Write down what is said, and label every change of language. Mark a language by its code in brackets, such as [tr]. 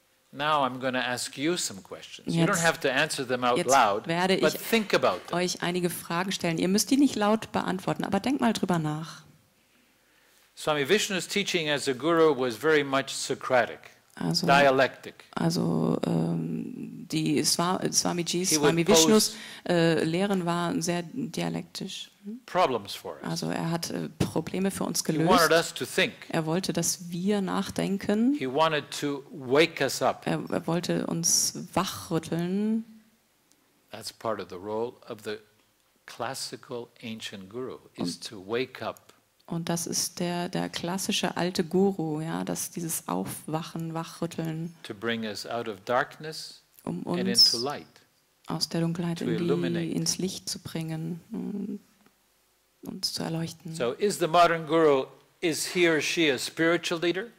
[en] Now I'm going to ask you some questions. You don't have to answer them out loud, but think about them. [de] Euch einige Fragen stellen. Ihr müsst die nicht laut beantworten, aber denkt mal drüber nach. [en] Swami Vishnu's teaching as a guru was very much Socratic. [de] Also, [en] dialectic. [de] Also die Swamiji's, Swami Vishnu's Lehren waren sehr dialektisch. [en] Problems for us. [de] Also er hat Probleme für uns gelöst. [en] He wanted us to think. [de] Er wollte, dass wir nachdenken. [en] He wanted to wake us up. [de] Er wollte uns wachrütteln. [en] That's part of the role of the classical ancient guru is to wake up. [de] Und das ist der klassische alte Guru, ja, dass dieses Aufwachen, Wachrütteln, [en] to bring us out of darkness [de] um uns [en] and into light, [de] aus der Dunkelheit ins Licht zu bringen, uns zu erleuchten. [en] So is the modern guru, is he or she a spiritual leader?